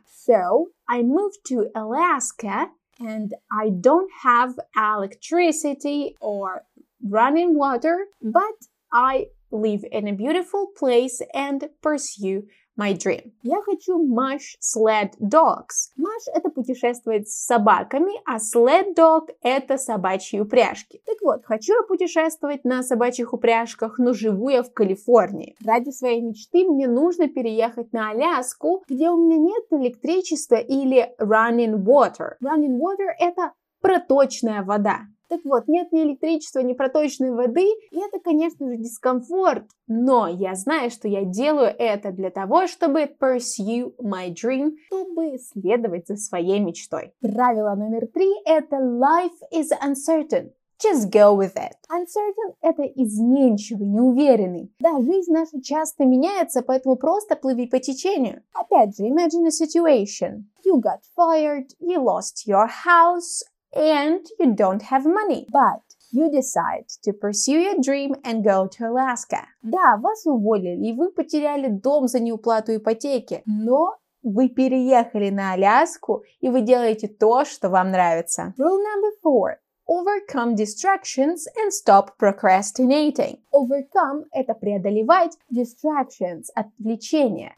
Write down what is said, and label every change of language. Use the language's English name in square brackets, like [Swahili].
[English] So, I moved to Alaska and I don't have electricity or running water, but I live in a beautiful place and pursue my dream. [Russian] Я хочу [English] mush sled dogs. [Russian] Mush – это путешествовать с собаками, а sled dog – это собачьи упряжки. Так вот, хочу я путешествовать на собачьих упряжках, но живу я в Калифорнии. Ради своей мечты мне нужно переехать на Аляску, где у меня нет электричества или [English] running water. Running water [Russian] – это проточная вода. Так вот, нет ни электричества, ни проточной воды, и это, конечно же, дискомфорт. Но я знаю, что я делаю это для того, чтобы [English] pursue my dream, [Russian] чтобы следовать за своей мечтой. Правило номер 3 – это [English] life is uncertain. Just go with it. [Russian] Uncertain – это изменчивый, неуверенный. Да, жизнь наша часто меняется, поэтому просто плыви по течению. Опять же, [English] imagine a situation. You got fired, you lost your house, and you don't have money, but you decide to pursue your dream and go to Alaska. [Russian] Да, вас уволили, и вы потеряли дом за неуплату ипотеки, но вы переехали на Аляску, и вы делаете то, что вам нравится. [English] Rule number 4. Overcome distractions and stop procrastinating. [Russian] Overcome – это преодолевать distractions – отвлечения.